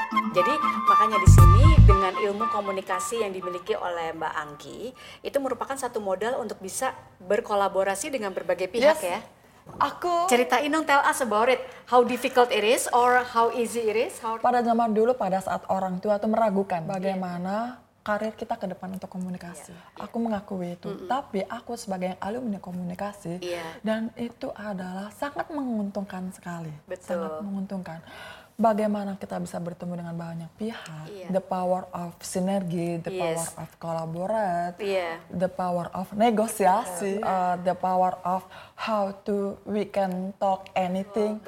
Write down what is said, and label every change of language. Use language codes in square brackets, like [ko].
[id] Jadi makanya di sini dengan ilmu komunikasi yang dimiliki oleh Mbak Angki, itu merupakan satu modal untuk bisa berkolaborasi dengan berbagai pihak ya. Aku ceritain dong, [en] tell us about it. How difficult it is or how easy it is? How... [id] Pada zaman dulu, pada saat orang tua tuh meragukan bagaimana karir kita ke depan untuk komunikasi. Aku mengakui itu. Mm-hmm. Tapi aku sebagai yang alumni komunikasi dan itu adalah sangat menguntungkan sekali. Betul. Sangat menguntungkan. Bagaimana kita bisa bertemu dengan banyak pihak, the power of sinergi, [en] the power of collaborate, the power of negosiasi, the power of how to we can talk anything.